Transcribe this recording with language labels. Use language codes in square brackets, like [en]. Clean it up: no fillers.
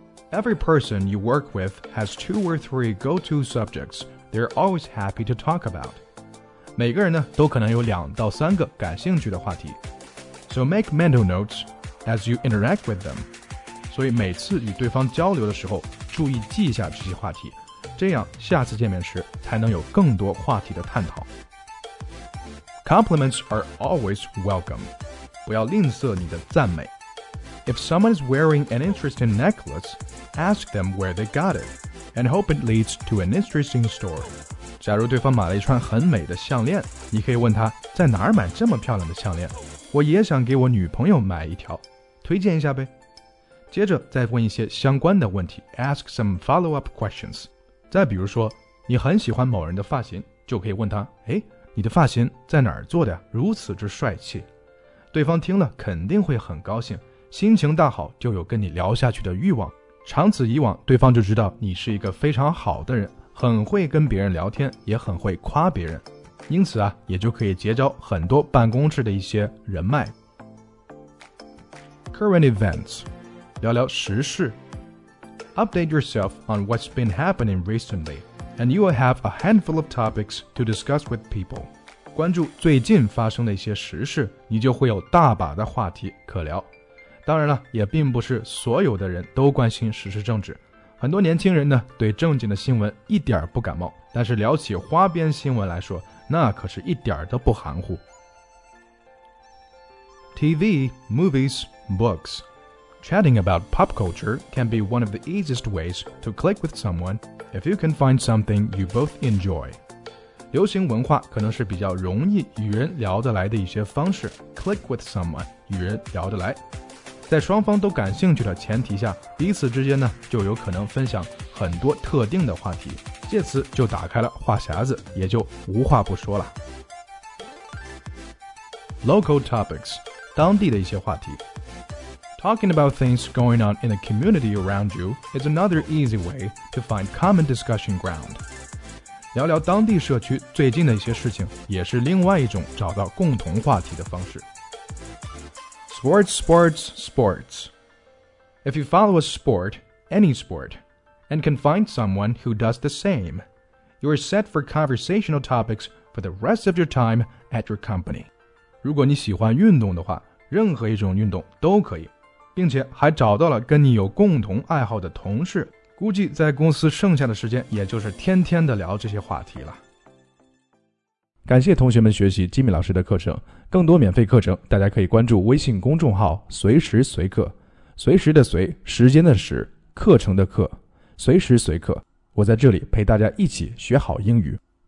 [en] Every person you work with has two or three go-to subjects they're always happy to talk about. [zh] 每个人呢都可能有两到三个感兴趣的话题。 [en] So make mental notes as you interact with them. [zh] 所以每次与对方交流的时候注意记一下这些话题，这样下次见面时才能有更多话题的探讨。 [en] Compliments are always welcome. [zh] 不要吝啬你的赞美。 [en] If someone is wearing an interesting necklace, ask them where they got it, and hope it leads to an interesting story. [zh] 假如对方买了一串很美的项链，你可以问他在哪儿买这么漂亮的项链。我也想给我女朋友买一条，推荐一下呗。接着再问一些相关的问题 ， [en] ask some follow-up questions. [zh] 再比如说，你很喜欢某人的发型，就可以问他：哎，你的发型在哪儿做的？如此之帅气。对方听了肯定会很高兴。心情大好就有跟你聊下去的欲望，长此以往对方就知道你是一个非常好的人，很会跟别人聊天，也很会夸别人，因此啊，也就可以结交很多办公室的一些人脉。 [en] Current events， [zh] 聊聊时事。 [en] Update yourself on what's been happening recently and you will have a handful of topics to discuss with people。 [zh] 关注最近发生的一些时事，你就会有大把的话题可聊。当然了，也并不是所有的人都关心时事政治，很多年轻人呢对正经的新闻一点不感冒，但是聊起花边新闻来说，那可是一点都不含糊。 [en] TV, movies, books. Chatting about pop culture can be one of the easiest ways to click with someone if you can find something you both enjoy. [zh] 流行文化可能是比较容易与人聊得来的一些方式， [en] click with someone [zh] 与人聊得来，在双方都感兴趣的前提下，彼此之间呢就有可能分享很多特定的话题，借此就打开了话匣子，也就无话不说了。 [en] Local topics， [zh] 当地的一些话题。 [en] Talking about things going on in the community around you is another easy way to find common discussion ground。 [zh] 聊聊当地社区最近的一些事情，也是另外一种找到共同话题的方式。 [en] Sports, sports, sports. If you follow a sport, any sport, and can find someone who does the same, you are set for conversational topics for the rest of your time at your company. [zh] 如果你喜欢运动的话，任何一种运动都可以，并且还找到了跟你有共同爱好的同事，估计在公司剩下的时间也就是天天的聊这些话题了。感谢同学们学习吉米老师的课程，更多免费课程大家可以关注微信公众号随时随课，随时的随，时间的时，课程的课，随时随课，我在这里陪大家一起学好英语。